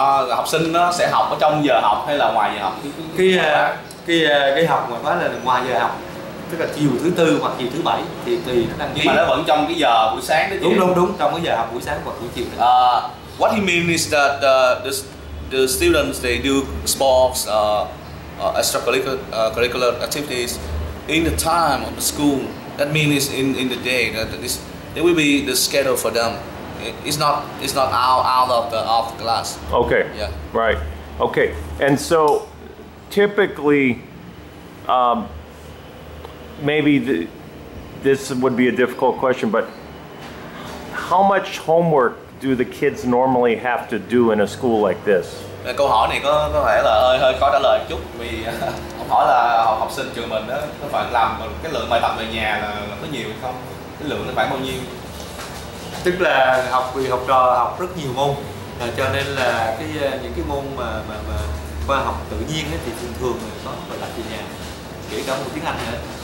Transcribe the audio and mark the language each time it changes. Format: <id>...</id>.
<vi>Học sinh nó sẽ học ở trong giờ học hay là ngoài giờ học? Cái học ngoài khóa là ngoài giờ học, tức là chiều thứ tư hoặc chiều thứ bảy thì tùy nó đăng ký. Nhưng mà nó vẫn trong cái giờ buổi sáng đó. Đúng, trong cái giờ học buổi sáng hoặc buổi chiều.</vi> <en>What he means is that the students, they do sports, extracurricular activities in the time of the school. That means in the day, that there will be the schedule for them. It's not out of the off class. Okay. Yeah. Right. Okay. And so typically, maybe this would be a difficult question, but how much homework do the kids normally have to do in a school like this?</en> <vi>Câu hỏi này có thể là hơi khó trả lời chút vì ông hỏi là học sinh trường mình đó có phải làm cái lượng bài tập về nhà là có nhiều hay không? Cái lượng nó khoảng bao nhiêu? Tức là học trò học rất nhiều môn, cho nên là những cái môn mà khoa học tự nhiên thì thường có bài tập về nhà, kể cả một tiếng Anh nữa.</vi>